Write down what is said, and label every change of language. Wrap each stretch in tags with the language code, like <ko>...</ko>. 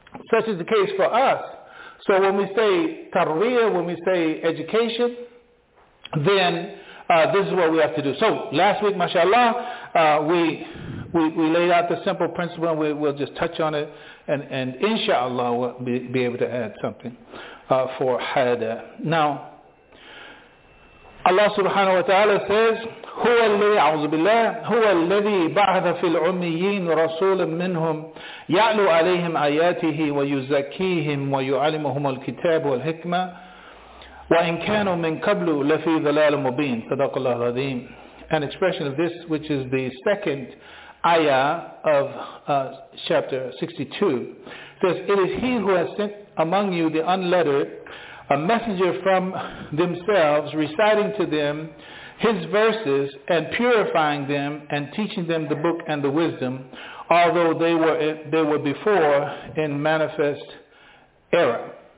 <en>Such is the case for us. So when we say tarbiyah, when we say education, then this is what we have to do. So last week, mashallah, we laid out the simple principle, and we'll just touch on it, and inshallah, we'll be able to add something for hada. Now, Allah subhanahu wa ta'ala says,</en> <ar>هُوَ الَّذِي أَعُوذُ بِاللَّهِ هُوَ الَّذِي بَعَثَ فِي الْعُمِّيِّينَ رَسُولًا مِّنْهُمْ يَعْلُو عَلَيْهِمْ آيَاتِهِ وَيُزَكِّيهِمْ وَيُعَلِّمُهُمُ الْكِتَابُ وَالْحِكْمَةِ وَإِنْ كَانُوا مِنْ قَبْلُ لَفِي ذَلَالٍ مُّبِينٍ صَدَقَ اللَّهُ الْعَظِيمُ.</ar> <en>An expression of this, which is the second ayah of chapter 62, says, it is He who has sent among you the unlettered, a messenger from themselves, reciting to them His verses and purifying them and teaching them the book and the wisdom, although they were before in manifest error.</en>